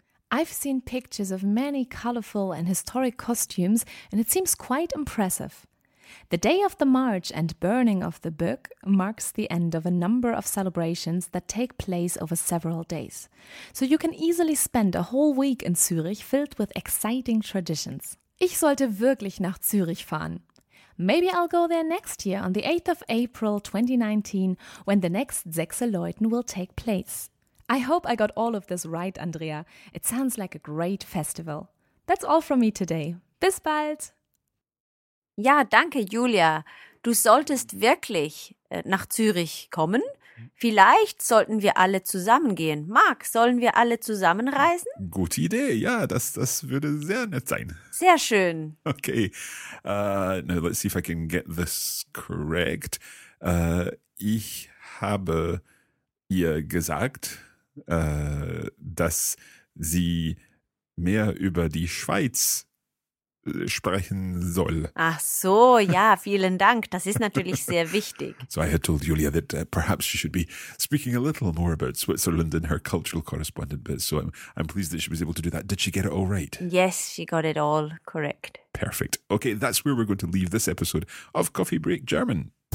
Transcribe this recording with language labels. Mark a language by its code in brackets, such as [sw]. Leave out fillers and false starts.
[en] I've seen pictures of many colorful and historic costumes, and it seems quite impressive. The day of the march and burning of the Böck marks the end of a number of celebrations that take place over several days. So you can easily spend a whole week in Zürich filled with exciting traditions. [de] Ich sollte wirklich nach Zürich fahren. [en] Maybe I'll go there next year on the 8th of April 2019 when the next Sechseläuten will take place. I hope I got all of this right, Andrea. It sounds like a great festival. That's all from me today. [de] Bis bald! Ja, danke, Julia. Du solltest wirklich nach Zürich kommen. Vielleicht sollten wir alle zusammen gehen. Marc, sollen wir alle zusammen reisen? Gute Idee, ja, das würde sehr nett sein. Sehr schön. [en] Okay, now let's see if I can get this correct. [de] Ich habe ihr gesagt, dass sie mehr über die Schweiz sprechen soll. Ach so, ja, vielen Dank. Das ist natürlich sehr wichtig. [en] So I had told Julia that perhaps she should be speaking a little more about Switzerland and her cultural correspondent bit. So I'm pleased that she was able to do that. Did she get it all right? Yes, she got it all correct. Perfect. Okay, that's where we're going to leave this episode of Coffee Break German.